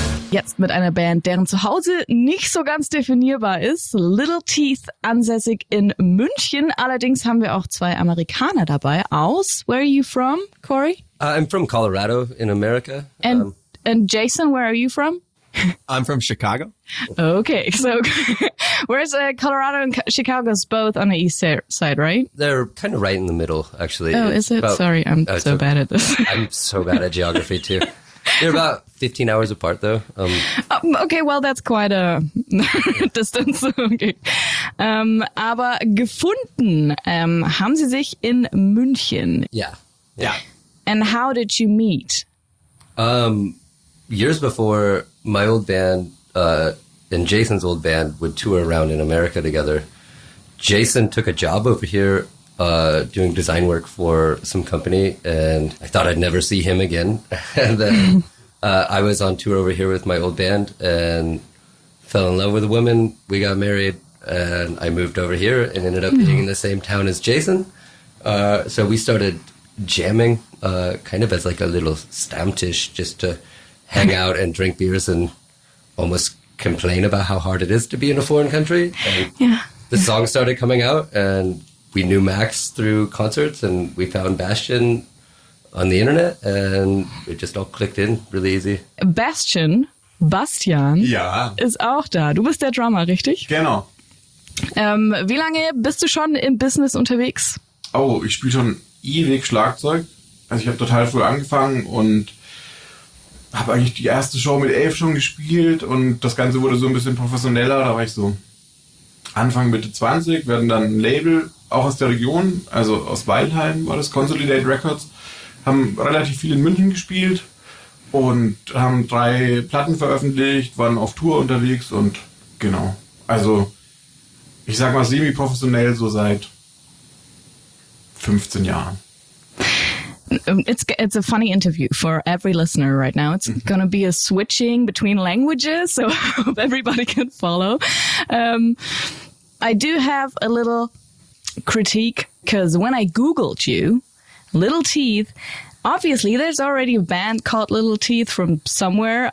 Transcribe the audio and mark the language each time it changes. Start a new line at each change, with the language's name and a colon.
German: Jetzt mit einer Band, deren Zuhause nicht so ganz definierbar ist. Little Teeth, ansässig in München. Allerdings haben wir auch zwei Amerikaner dabei aus.
English: Where are you from, Corey? I'm from Colorado in America. And Jason, where are you from? I'm from Chicago. Okay, so where's Colorado and Chicago's both on the east side, right? They're kind of right in the middle, actually. Oh, is it? Sorry, I'm so bad at this. I'm so bad at geography, too. They're about 15 hours apart, though. Okay, well, that's quite a distance. Okay.
German: Aber gefunden haben sie sich in München.
English: Yeah. And how did you meet? Years before, my old band and Jason's old band would tour around in America together. Jason took a job over here doing design work for some company, and I thought I'd never see him again. And then I was on tour over here with my old band and fell in love with a woman. We got married, and I moved over here and ended up being in the same town as Jason. So we started jamming kind of as like a little Stammtisch just to hang out and drink beers and almost complain about how hard it is to be in a foreign country. And the song started coming out, and we knew Max through concerts, and we found Bastian on the internet, and it just all clicked in really easy.
German: Bastian ja. Ist auch da. Du bist der Drummer, richtig? Genau. Wie lange bist du schon im Business unterwegs? Oh, ich spiele schon ewig Schlagzeug. Also ich habe total früh angefangen und habe eigentlich die erste Show mit 11 schon gespielt und das Ganze wurde so ein bisschen professioneller. Da war ich so Anfang, Mitte 20, wir hatten dann ein Label, auch aus der Region, also aus Weilheim war das, Consolidate Records, haben relativ viel in München gespielt und haben 3 Platten veröffentlicht, waren auf Tour unterwegs und genau. Also ich sag mal semi-professionell so seit 15 Jahren.
English: It's a funny interview for every listener right now. It's going to be a switching between languages, so I hope everybody can follow. I do have a little critique, because when I Googled you, Little Teeth, obviously there's already a band called Little Teeth from somewhere.